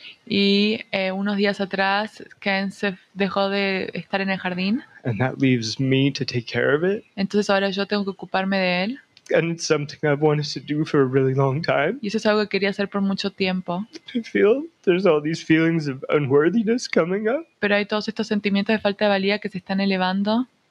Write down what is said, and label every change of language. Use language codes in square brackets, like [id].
[es] Y unos días atrás, Ken se dejó de estar en el jardín. [en] And that leaves me to take care of it. [es] Entonces ahora yo tengo que ocuparme de él. [en] And it's something I've wanted to do for a really long time. [es] Y eso es algo que quería hacer por mucho tiempo. [en] I feel there's all these feelings of unworthiness coming up. [es] Pero hay todos estos sentimientos de falta de valía que se están elevando.